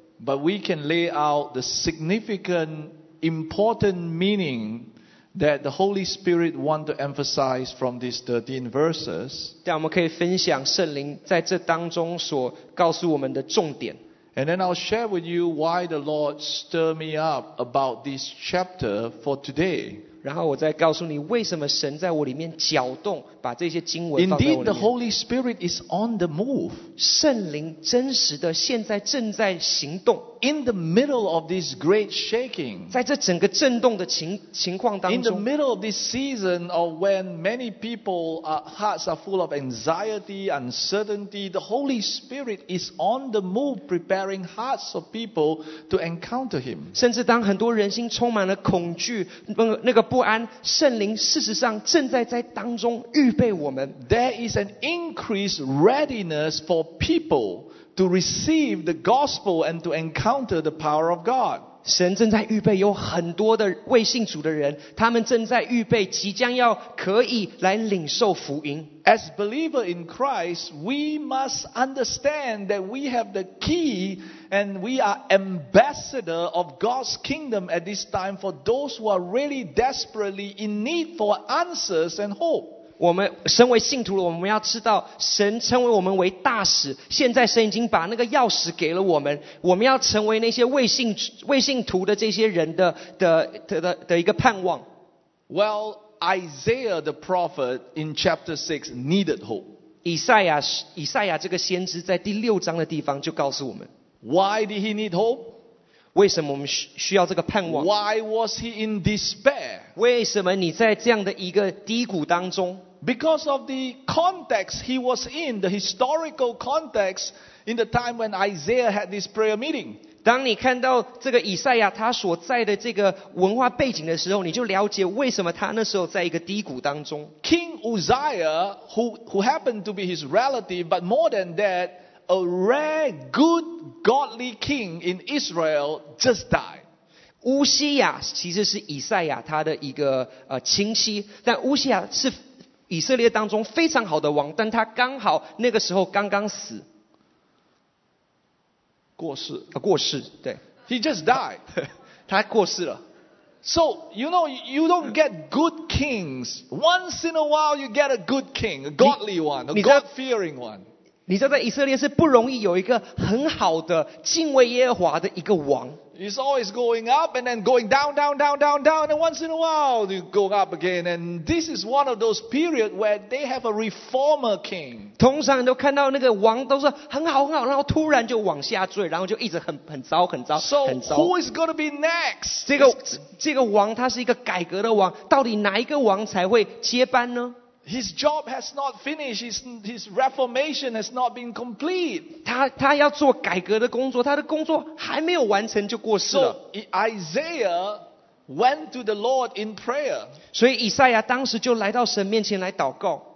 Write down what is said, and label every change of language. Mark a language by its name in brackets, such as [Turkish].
[English] But we can lay out the significant, important meaning that the Holy Spirit wants to emphasize from these 13 verses. [Chinese] 但我们可以分享圣灵在这当中所告诉我们的重点。 [English] And then I'll share with you why the Lord stirred me up about this chapter for today. [Chinese] 然后我再告诉你为什么神在我里面搅动，把这些经文放在我里面。 [English] Indeed, the Holy Spirit is on the move. [Chinese] 圣灵真实的现在正在行动。 [English] In the middle of this great shaking, [Chinese] 在这整个震动的情况当中。 [English] In the middle of this season of when many people hearts are full of anxiety, uncertainty, the Holy Spirit is on the move, preparing hearts of people to encounter Him. [Chinese] 甚至当很多人心充满了恐惧，那个不安，圣灵事实上正在当中预备我们。 [English] There is an increased readiness for people. To receive the gospel and to encounter the power of God. [Chinese] 神正在预备有很多的未信主的人，他们正在预备，即将要可以来领受福音。 [English] As believers in Christ, we must understand that we have the key and we are ambassador of God's kingdom at this time for those who are really desperately in need for answers and hope. [Chinese] 我们身为信徒的，我们要知道神称为我们为大使，现在神已经把那个钥匙给了我们，我们要成为那些未信徒的这些人 的一个盼望。 [English] Well, Isaiah the prophet in chapter 6 needed hope. [Chinese] 以赛亚这个先知在第六章的地方就告诉我们。 [English] Why did he need hope? [Chinese] 为什么我们需要这个盼望？ [English] Why was he in despair? [Chinese] 为什么你在这样的一个低谷当中？ [English] Because of the context he was in, the historical context in the time when Isaiah had this prayer meeting. [Chinese] 当你看到这个以赛亚他所在的这个文化背景的时候，你就了解为什么他那时候在一个低谷当中。 [English] King Uzziah, who happened to be his relative, but more than that,A rare, good, godly king in Israel just died. [Chinese] 乌西亚其实是以赛亚他的一个亲戚，但乌西亚是以色列当中非常好的王，但他刚好那个时候刚刚死，过世啊，过世，对 [English] ，He just died. [Chinese] 他过世了。 [English] So, you know, you don't get good kings. Once in a while, you get a good king, a godly one, a God-fearing one. [Chinese] 你知道在以色列是不容易有一个很好的敬畏耶和华的一个王。 [English] It's always going up and then going down, down, down, down, down, and once in a while you go up again. And this is one of those periods where they have a reformer king. [Chinese] 通常都看到那个王都是很好很好，然后突然就往下坠，然后就一直很糟很糟很糟。 [English] So who is going to be next? [Chinese] 这个王他是一个改革的王，到底哪一个王才会接班呢？ [English] His job has not finished. His reformation has not been complete. [Chinese] 他要做改革的工作，他的工作还没有完成就过世了。 [English] So Isaiah went to the Lord in prayer. [Chinese] 所以以赛亚当时就来到神面前来祷告。